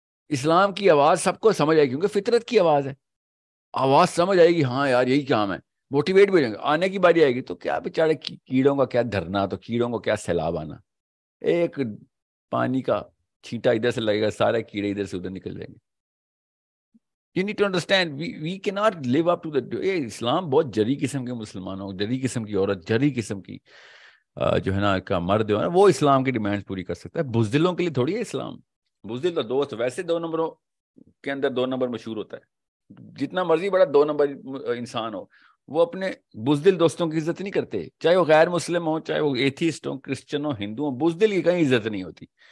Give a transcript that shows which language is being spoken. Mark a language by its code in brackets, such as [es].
[ur] اسلام کی آواز سب کو سمجھ آئے گی کیونکہ فطرت کی آواز ہے, آواز سمجھ آئے گی ہاں یار یہی کام ہے, موٹیویٹ بھی ہو جائیں گے. آنے کی باری آئے گی تو کیا بےچارے, کیڑوں کا کیا دھرنا, تو کیڑوں کا کیا سیلاب آنا, ایک پانی کا چھینٹا ادھر سے لگے گا سارے کیڑے ادھر سے ادھر نکل جائیں گے. [en] You need to understand, we cannot live up to the... [ur] Hey, Islam بہت جری قسم کے مسلمان ہو, جری قسم کی عورت, جری قسم کی جو ہے نا کا مرد ہو نا, وہ اسلام کی ڈیمانڈ پوری کر سکتا ہے. بزدلوں کے لیے تھوڑی ہے اسلام. بزدل تو دوست ویسے دو نمبروں کے اندر دو نمبر مشہور ہوتا ہے. جتنا مرضی بڑا دو نمبر انسان ہو, وہ اپنے بزدل دوستوں کی عزت نہیں کرتے, چاہے وہ غیر مسلم ہوں, چاہے وہ ایتھیسٹ ہوں, کرسچن ہوں, ہندو ہوں, بزدل کی کہیں عزت نہیں ہوتی.